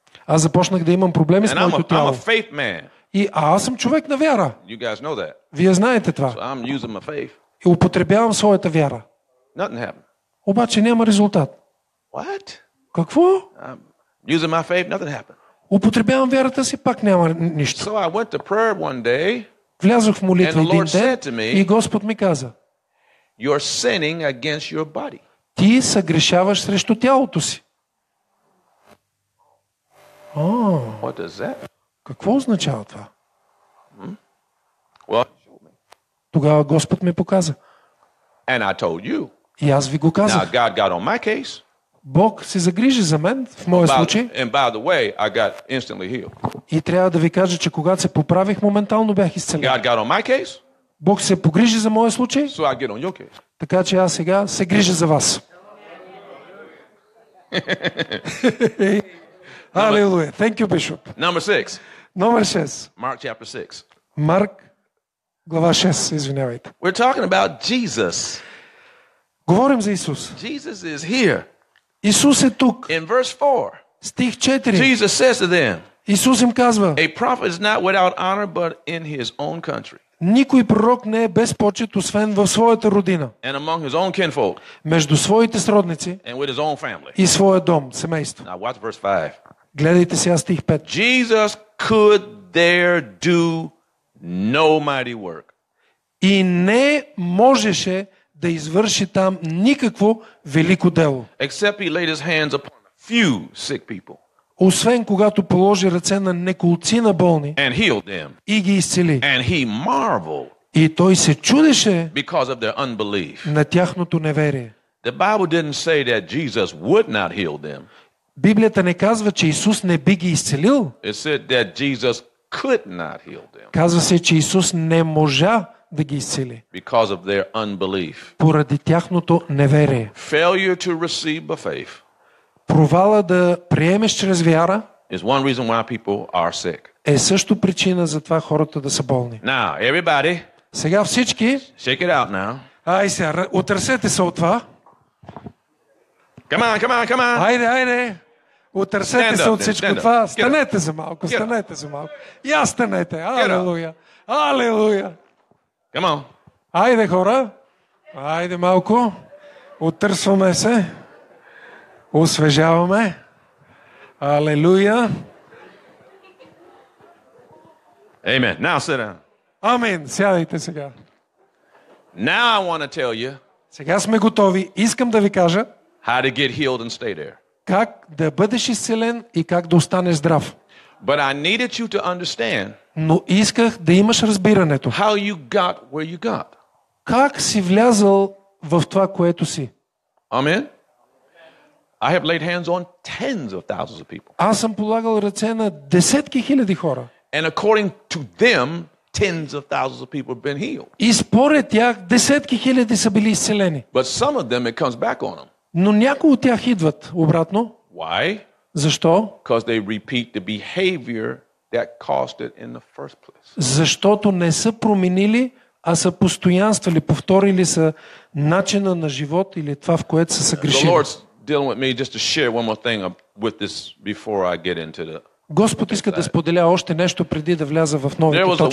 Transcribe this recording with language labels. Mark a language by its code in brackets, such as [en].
[bg] Аз започнах да имам проблеми с моето тяло. [en] I'm a faith man. [bg] И аз съм човек на вяра. [en] You guys know that. [bg] Вие знаете това. [en] So I'm using my faith. [bg] И употребявам своята вяра. [en] Nothing happened. [bg] Обаче няма резултат. [en] What? [bg] Какво? [en] I'm using my faith, nothing happened. [bg] Употребявам вярата си, пак няма нищо. [en] So I went to prayer one day, [bg] влязох в молитва един ден [en] me, [bg] и Господ ми каза: [en] "You're sinning against your body." [bg] Ти съгрешаваш срещу тялото си. Oh. [en] What does that? [bg] Какво означава това? Hmm? Well, тогава Господ ми показа. [en] And I told you. [bg] И аз ви го казах. [en] Now God got on my case. [bg] Бог се загрижи за мен в моя случай. [en] And by the way, I got instantly healed. [bg] И трябва да ви кажа, че когато се поправих, моментално бях изцелен. [en] God got on my case. [bg] Бог се погрижи за моя случай. [en] So I get on your case. [bg] Така че аз сега се грижа за вас. [en] Hallelujah. Thank you, Bishop. Number 6. [bg] Номер 6. [en] Mark chapter 6. [bg] Марк глава 6, извинявайте. [en] We're talking about Jesus. [bg] Говорим за Исус. [en] Jesus is here. [bg] Исус е тук. [en] In verse 4. [bg] Стих 4. [en] Jesus says to them. [bg] Исус им казва: [en] A prophet is not without honor but in his own country. [bg] Никой пророк не е без почет освен в своята родина. [en] And among his own kinfolk. [bg] Между своите сродници. [en] And with his own family. [bg] И своя дом, семейство. [en] Now watch verse 5. [bg] Гледайте сега стих 5. [en] Jesus could there do no mighty work. [bg] И не можеше да извърши там никакво велико дело. [en] Except he laid his hands upon a few sick people. [bg] Освен когато положи ръце на неколцина болни [en] and healed them. [bg] И ги изцели. [en] And he marveled. [bg] И той се чудеше [en] because of their unbelief. [bg] На тяхното неверие. [en] The Bible didn't say that Jesus would not heal them. [bg] Библията не казва, че Исус не би ги изцелил. [en] It said that Jesus could not heal them. [bg] Казва се, че Исус не можа да ги изцели. [en] Because of their unbelief. [bg] Поради тяхното неверие. [en] Failure to receive by faith. [bg] Провала да приемеш чрез вяра [en] is one reason why people are sick. [bg] Е също причина за това хората да са болни. [en] Now, everybody, [bg] сега всички, [en] shake it out now. [bg] Ай се, отърсете се от това. [en] Come on, come on, come on. [bg] Хайде, хайде. Отърсете се от всичко това. Станете за малко, станете за малко. И аз станете. Алелуя. Алелуя. [en] Come on. [bg] Хайде, хора. Хайде малко. Отърсваме се. Освежаваме. Алелуя. [en] Amen. Now sit down. [bg] Амин. Сядайте сега. [en] Now I want to tell you. [bg] Сега сме готови. Искам да ви кажа. [en] How to get healed and stay there. [bg] Как да бъдеш изцелен и как да останеш здрав. [en] But I needed you to understand. [bg] Но исках да имаш разбирането. [en] How you got where you got. [bg] Как си влязъл в това, което си. [en] Amen. I have laid hands on tens of thousands of people. [bg] Аз съм полагал ръце на десетки хиляди хора. [en] And according to them, tens of thousands of people have been healed. [bg] И според тях десетки хиляди са били изцелени. [en] But some of them it comes back on them. [bg] Но някои от тях идват обратно. [en] Why? [bg] Защо? [en] Because they repeat the behavior that caused it in the first place. [bg] Защото не са променили, а са постоянствали, повторили са начина на живот или това, в което са съгрешили. [en] The Lord's dealing with me just to share one more thing with this before I get into the. [bg] Господ иска да споделя още нещо преди да вляза в новите